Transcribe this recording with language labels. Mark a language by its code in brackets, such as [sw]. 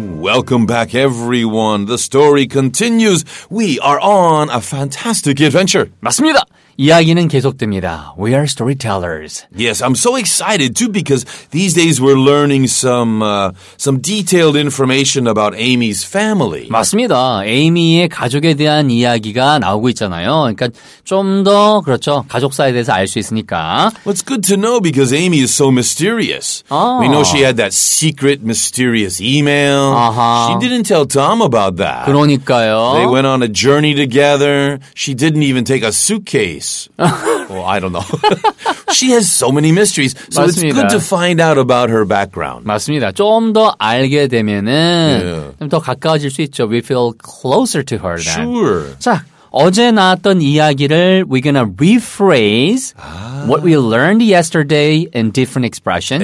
[en] Welcome back everyone, the story continues. We are on a fantastic adventure. [ko] 맞습니다. 이야기는 계속됩니다. [en] We are storytellers. Yes, I'm so excited too because these days we're learning some detailed information about Amy's family. [ko] 맞습니다. 에이미의 가족에 대한 이야기가 나오고 있잖아요. 그러니까 좀 더 그렇죠. 가족사에 대해서 알 수 있으니까. [en] Well, it's good to know because Amy is so mysterious. We know she had that secret mysterious email. She didn't tell Tom about that. [ko] 그러니까요. [en] They went on a journey together. She didn't even take a suitcase. Well, I don't know. She has so many mysteries. So [ko] 맞습니다. [en] It's good to find out about her background. [ko] 맞습니다. 좀 더 알게 되면은 좀 더 가까워질 수 있죠. [en] We feel closer to her then. Sure. [ko] 자, 어제 나왔던 이야기를 [en] we're going to rephrase what we learned yesterday in different expressions.